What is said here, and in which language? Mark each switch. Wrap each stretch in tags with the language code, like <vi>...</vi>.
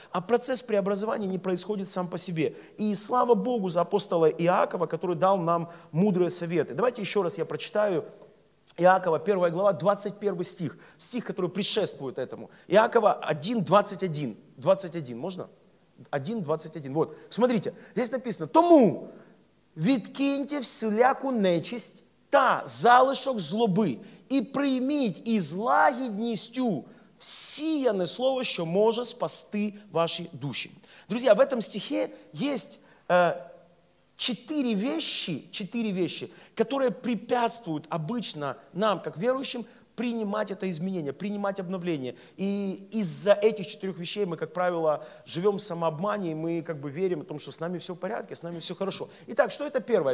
<ru>А процесс преобразования не происходит сам по себе. И слава Богу за апостола Иакова, который дал нам мудрые советы. Давайте еще раз я прочитаю Иакова, 1 глава, 21 стих. Стих, который предшествует этому. Иакова 1:21. 21, можно? 1:21. Вот, смотрите, здесь написано, «Тому».</ru> <uk>Відкиньте всіляку нечисть та залишок злоби і прийміть із лагідністю всіяне слово, що може спасти ваші душі. Друзі,</uk> <ru>в этом стихе есть четыре вещи, которые препятствуют обычно нам, как верующим, принимать это изменение, принимать обновление. И из-за этих четырех вещей мы, как правило, живем в самообмане, и мы как бы верим в том, что с нами все в порядке, с нами все хорошо. Итак, что это первое?</ru>